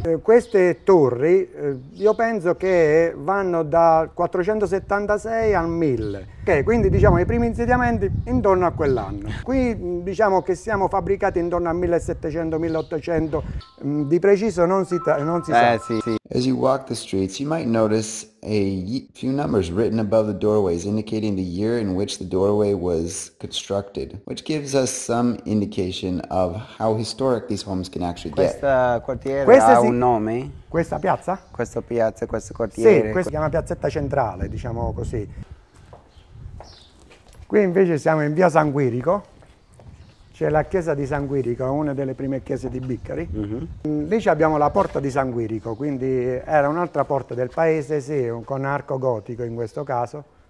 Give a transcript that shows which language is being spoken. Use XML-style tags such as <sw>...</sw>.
<it>Queste torri, io penso che vanno da 476 al 1000, ok? Quindi diciamo i primi insediamenti intorno a quell'anno. Qui diciamo che siamo fabbricati intorno al 1700-1800, di preciso non si sa. Sì.</it> <en>As you walk the streets, you might notice a few numbers written above the doorways indicating the year in which the doorway was constructed, which gives us some indication of how historic these homes can actually get.</en> <it>Questa quartiere questa ha un nome? Questa piazza? Questa piazza, questo quartiere. Sì, questa si chiama piazzetta centrale, diciamo così. Qui invece siamo in via San Quirico. C'è la chiesa di San Quirico, una delle prime chiese di Biccari. Lì abbiamo la porta di San Quirico, quindi era un'altra porta del paese, sì, con arco gotico in questo caso.</it>